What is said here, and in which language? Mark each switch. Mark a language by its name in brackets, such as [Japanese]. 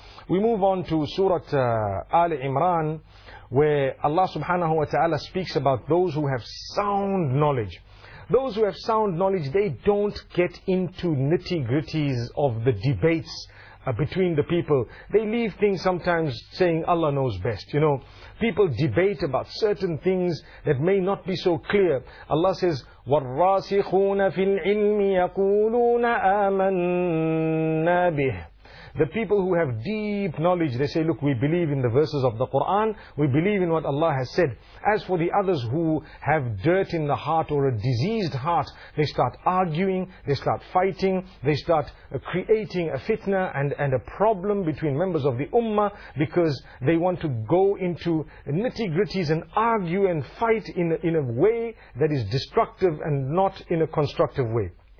[English] We move on to Surah Ali Imran, where Allah subhanahu wa ta'ala speaks about those who have sound knowledge. Those who have sound knowledge, they don't get into nitty-gritties of the debates between the people. They leave things sometimes saying, Allah knows best. You know, people debate about certain things that may not be so clear. Allah says, [Arabic] وَالرَّاسِخُونَ فِي الْعِلْمِ يَقُولُونَ آمَنَّا بِهِ. [English] The people who have deep knowledge, they say, look, we believe in the verses of the Qur'an, we believe in what Allah has said. As for the others who have dirt in the heart or a diseased heart, they start arguing, they start fighting, they start creating a fitna and a problem between members of the ummah, because they want to go into nitty-gritties and argue and fight in a way that is destructive and not in a constructive way.